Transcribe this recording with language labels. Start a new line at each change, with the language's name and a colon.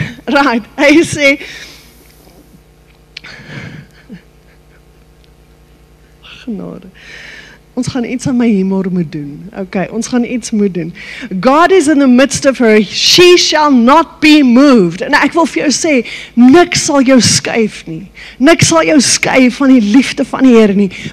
Afrikaans: Right, hy sê, genade, ons gaan iets aan my humor moet doen. Okay, ons gaan iets moet doen.
English: God is in the midst of her, she shall not be moved.
Afrikaans: En ek wil vir jou sê, niks sal jou skuif nie. Niks sal jou skuif van die liefde van die Here nie.